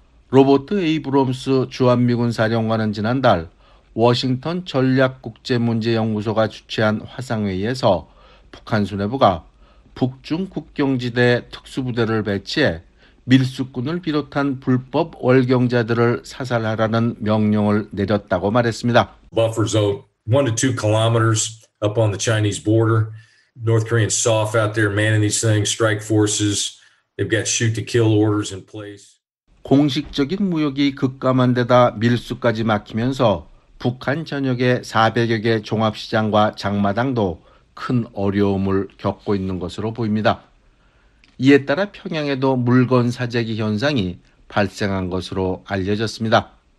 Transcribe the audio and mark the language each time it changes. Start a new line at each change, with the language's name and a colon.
Korean: 로버트 에이브럼스 주한미군 사령관은 지난달 워싱턴 전략국제문제연구소가 주최한 화상회의에서 북한 수뇌부가 북중 국경지대에 특수부대를 배치해 밀수꾼을 비롯한 불법 월경자들을 사살하라는 명령을 내렸다고 말했습니다.
English: Buffer zone 1 to 2 kilometers up on the Chinese border. North Korean SOF out there manning these things, strike forces. They've got shoot to kill orders in place.
Korean: 공식적인 무역이 급감한 데다 밀수까지 막히면서 북한 전역의 400여 개 종합시장과 장마당도 큰 어려움을 겪고 있는 것으로 보입니다. 이에 따라 평양에도 물건 사재기 현상이 발생한 것으로 알려졌습니다.